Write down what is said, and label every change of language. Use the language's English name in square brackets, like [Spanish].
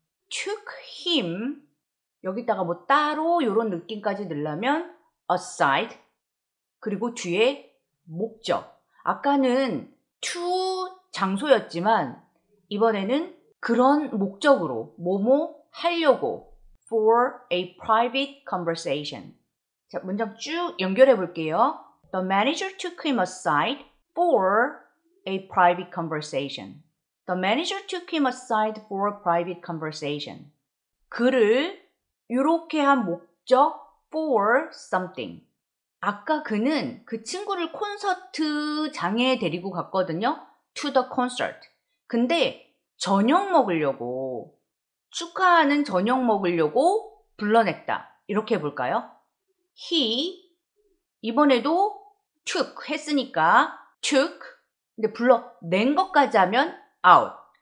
[English] Took him [Korean] 여기다가 뭐 따로 이런 느낌까지 넣으려면 aside 그리고 뒤에 목적. 아까는 to 장소였지만 이번에는 그런 목적으로 뭐뭐 하려고 [English] for a private conversation. [Korean] 자, 문장 쭉 연결해 볼게요. [English] The manager took him aside for a private conversation. The manager took him aside for a private conversation. [Korean] 그를 이렇게 한 목적 for something. 아까 그는 그 친구를 콘서트장에 데리고 갔거든요. [English] To the concert. [Korean] 근데 저녁 먹으려고, 축하하는 저녁 먹으려고 불러냈다. 이렇게 해볼까요? He, 이번에도 took 했으니까 took, 근데 불러낸 것까지 하면 out.